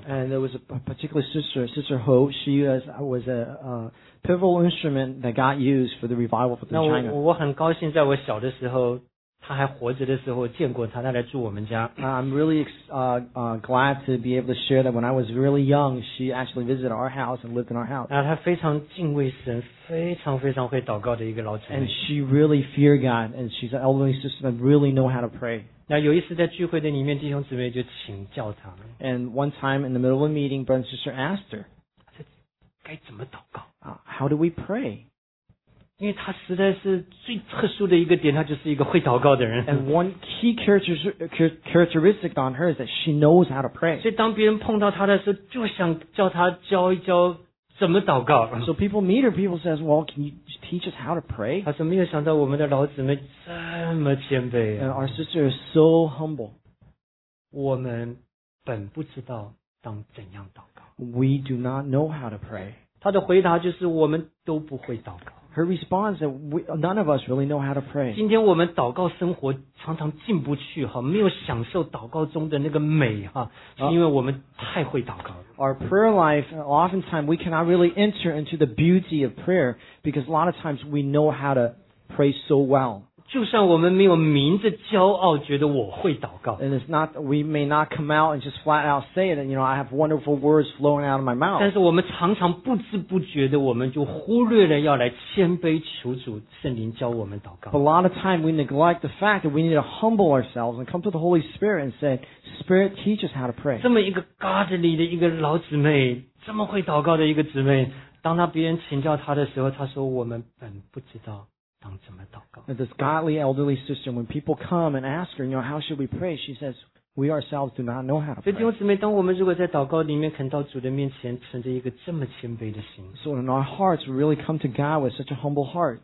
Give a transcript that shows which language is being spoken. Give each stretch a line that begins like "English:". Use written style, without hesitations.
English: ，and there was a particular sister Ho， she was a pivotal instrument that God used for the revival for China。
Chinese: 那我很高兴，在我小的时候。他还活着的时候见过他，他来住我们家。
English: I'm really glad to be able to share that when I was really young, she actually visited our house and lived in our house.
Chinese: 然后他非常敬畏神，非常非常会祷告的一个老姐妹。
English: And she really feared God, and she's an elderly sister that really know how to pray.
Chinese: 那有一次在聚会的里面，弟兄姊妹就请教他。
English: And one time in the middle of a meeting, brother and sister asked her,
Chinese: 该怎么祷告？
English: How do we pray?
Chinese: 因为他实在是最特殊的一个点，他就是一个会祷告的人。
English: And one key characteristic on her is that she knows how to pray.
Chinese: 所以当别人碰到他的时候，就想叫他教一教怎么祷告。
English: So people meet her, people says, "Well, can you teach us how to pray?"
Chinese: 他说没有想到我们的老姊妹这么谦卑、啊。
English: And our sister is so humble.
Chinese: 我们本不知道当怎样祷告。
English: We do not know how to pray.
Chinese: 他的回答就是我们都不会祷告。
English: Her response that none of us really know how to pray.
Chinese: 今天我们祷告生活常常进不去哈，没有享受祷告中的那个美哈，是因为我们太会祷告了。
English: Our prayer life, oftentimes we cannot really enter into the beauty of prayer because a lot of times we know how to pray so well.
Chinese: 就算我们没有明着骄傲觉得我会祷告
English: ，and it's not we may not come out and just flat out say it, and you know I have wonderful words flowing out of my mouth.
Chinese: 但是我们常常不知不觉的，我们就忽略了要来谦卑求主圣灵教我们祷告。
English: A lot of time we neglect the fact that we need to humble ourselves and come to the Holy Spirit and say, Spirit, teach us how to pray.
Chinese: 这么一个 godly 的一个老姊妹，这么会祷告的一个姊妹，当她别人请教她的时候，她说我们本不知道。
English: And this godly elderly sister, when people come and ask her, you know, how should we pray? She says, we ourselves do not know how to pray.
Chinese: 弟兄姊妹，当我们如果在祷告里面肯到主的面前，存着一个这么谦卑的心
English: ，So in our hearts, we really come to God with such a humble heart.